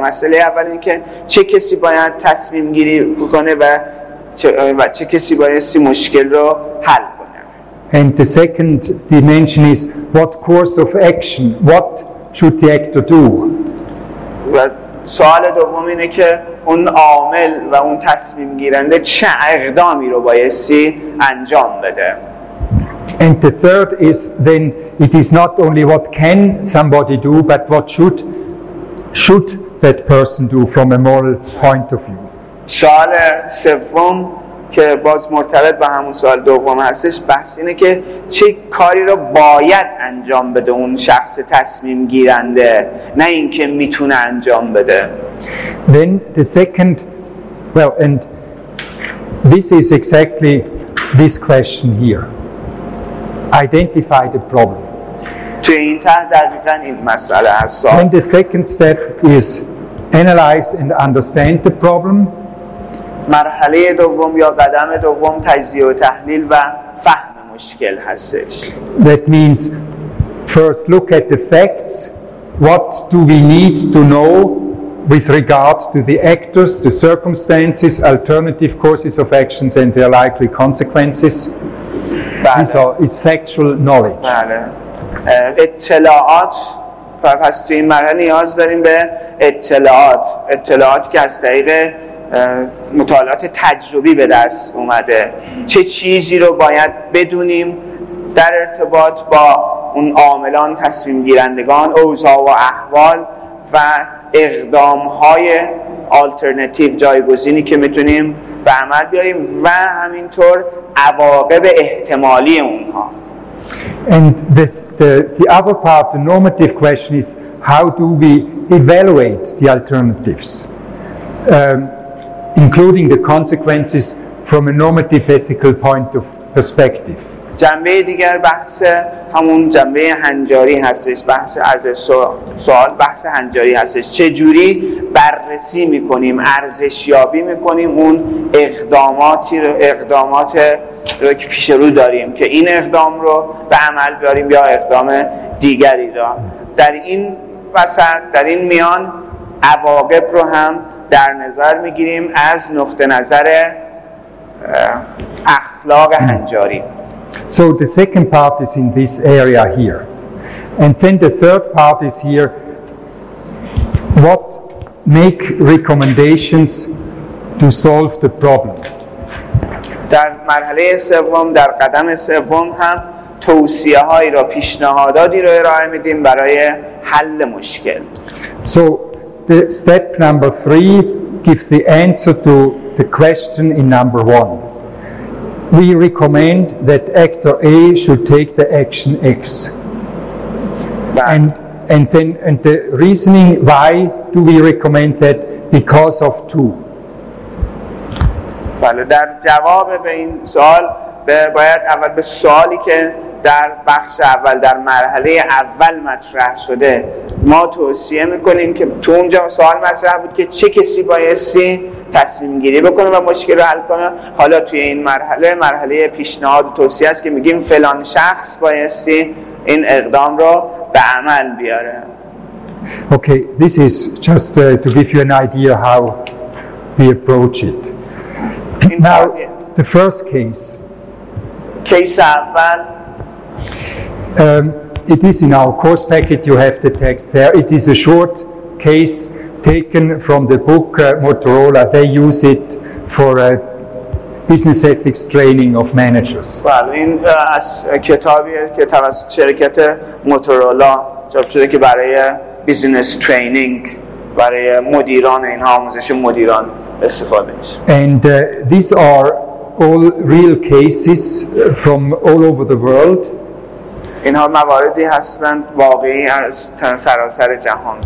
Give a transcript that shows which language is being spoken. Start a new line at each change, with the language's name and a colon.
Persian: مسئله اول این که چه کسی باید تصمیم گیری بکنه و چه کسی باید این مشکل رو حل کنه.
English: And the second dimension is what course of action, what should the actor do?
Persian: و سوال دوم اینه که اون عامل و اون تصمیم گیرنده چه اقدامی رو بایستی انجام بده.
English: And the third is then it is not only what can somebody do, but what should that person do from a moral point of view.
Persian: سوال سوم که باز مرتبط به همون سوال دوم هستش، بحث اینه که چه کاری رو باید انجام بده اون شخص تصمیم گیرنده، نه اینکه میتونه انجام بده.
English: Then the second, well, and this is exactly this question here. Identify the problem.
Persian: توی این تحت دقیقاً این مسئله هست.
English: Then the second step is analyze and understand the problem.
Persian: مرحله دوم یا قدم دوم تجزیه و تحلیل و فهم مشکل هستش.
English: That means first look at the facts. What do we need to know with regard to the actors, the circumstances, alternative courses of actions and their likely consequences.
Persian: بله.
English: These are is factual knowledge.
Persian: بله. اطلاعات. پس توی این مرحله نیاز داریم به اطلاعات، اطلاعات که از طریق مطالعات تجربی به دست اومده، چه چیزی رو باید بدونیم در ارتباط با اون عاملان، تصمیم گیرندگان، اوضاع و احوال و اقدام های آلترنتیو، جایگزینی که میتونیم به عمل بیاریم، و همینطور عواقب احتمالی اونها.
English: And this, the other part, the normative question is how do we evaluate the alternatives, including the consequences from a normative ethical point of perspective.
Persian: جنبه دیگر بحث همون جنبه هنجاری هستش، بحث از سوال، بحث هنجاری هستش، چجوری بررسی میکنیم، ارزشیابی میکنیم اون اقداماتی رو، اقدامات رو که پیش رو داریم، که این اقدام رو به عمل بیاریم یا اقدام دیگری را. در این وسط، در این میان، عواقب رو هم در نظر میگیریم از نقطه نظر اخلاق هنجاری.
English: So the second part is in this area here. And then the third part is here, what make recommendations to solve the problem.
Persian: در مرحله سوم، در قدم سوم هم توصیه‌هایی را، پیشنهاداتی را ارائه میدیم برای حل مشکل.
English: So the step number 3 gives the answer to the question in number 1. We recommend that actor A should take the action X. And the reasoning, why do we recommend that? Because of 2.
Persian: بله، در جواب به این سوال باید اول به سوالی که در بخش اول، در مرحله اول مطرح شده، ما توصیه میکنیم که تو اونجا سوال مطرح بود که چه کسی بایستی تصمیم گیری بکنه و مشکل رو حل کنه. حالا توی این مرحله، مرحله پیشنهاد و توصیه است که میگیم فلان شخص بایستی این اقدام رو به عمل بیاره.
English: Okay, this is just to give you an idea how we approach it. Now, the first case.
Persian: Case اول.
English: It is in our course packet, you have the text there. It is a short case taken from the book Motorola. They use it for a business ethics training of managers.
Persian: Well, این از کتابی که توسط شرکت موتورولا چاپ شده که برای بیزینس ترینینگ، برای مدیران، این آموزش مدیران استفاده میشه.
English: And these are all real cases from all over the world.
Persian: اینها مواردی هستند واقعی از سراسر جهان.